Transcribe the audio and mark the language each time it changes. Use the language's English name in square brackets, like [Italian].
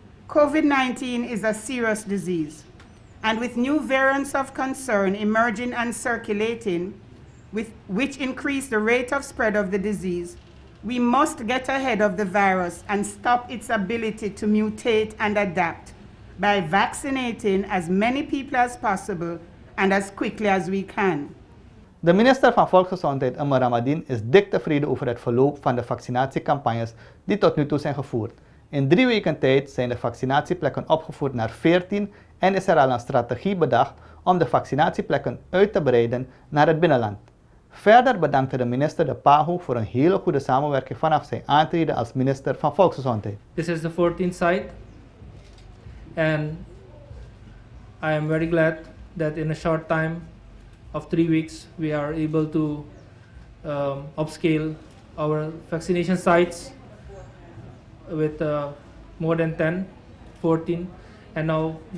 [English] COVID-19 is a serious disease, and with new variants of concern emerging and circulating, which increase the rate of spread of the disease, we must get ahead of the virus and stop its ability to mutate and adapt by vaccinating as many people as possible and as quickly as we can. [Dutch] De minister van Volksgezondheid, Emma Ramadine, is dik tevreden over het verloop van de vaccinatiecampagnes die tot nu toe zijn gevoerd. In 3 weken tijd zijn de vaccinatieplekken opgevoerd naar 14 en is er al een strategie bedacht om de vaccinatieplekken uit te breiden naar het binnenland. Verder bedankte de minister de PAHO voor een hele goede samenwerking vanaf zijn aantreden als minister van Volksgezondheid. [English] This is the 14th site and I am very glad that in a short time of 3 weeks we are able to upscale our vaccination sites with more than 10, 14, and now